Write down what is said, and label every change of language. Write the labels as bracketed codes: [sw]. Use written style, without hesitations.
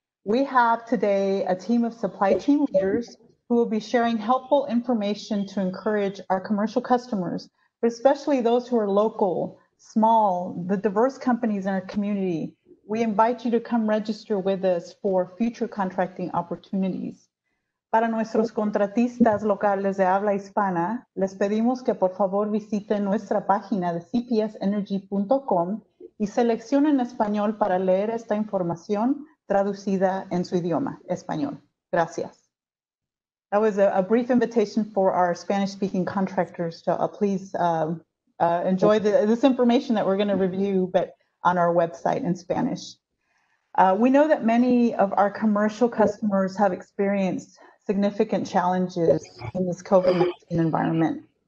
[en] We have today a team of supply chain leaders who will be sharing helpful information to encourage our commercial customers, but especially those who are local, small, the diverse companies in our community. We invite you to come register with us for future contracting opportunities. [es] Para nuestros contratistas locales de habla hispana, les pedimos que por favor visiten nuestra página de cpsenergy.com y seleccionen español para leer esta información traducida en su idioma, español. Gracias. [en] That was a brief invitation for our Spanish-speaking contractors to please enjoy this information that we're going to review, but on our website in Spanish. We know that many of our commercial customers have experienced significant challenges in this COVID-19 environment.